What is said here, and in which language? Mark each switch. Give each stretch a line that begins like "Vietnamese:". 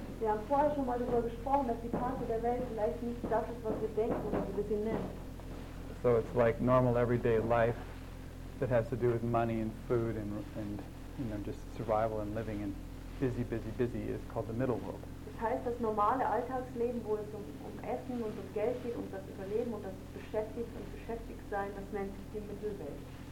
German: Wir haben vorher schon mal darüber gesprochen, dass die Karte der Welt vielleicht nicht das ist, was wir denken oder wie wir sie nennen.
English: So it's like normal everyday life that has to do with money and food and you know, just survival and living and busy, busy, busy is called the middle world.
German: Das heißt, das normale Alltagsleben, wo es um Essen und um Geld geht und das Überleben und das Beschäftigt und Beschäftigtsein, das nennt sich die Mittelwelt.